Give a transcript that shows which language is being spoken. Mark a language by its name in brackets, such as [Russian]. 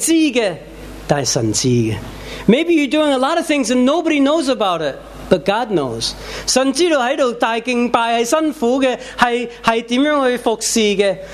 [Chinese] 可能你做很多事是没人知道的，但是神知道的。 [English] Maybe you're doing a lot of things and nobody knows about it, but God knows. [Chinese] 神知道在这里大敬拜是辛苦的，是怎样去服侍的。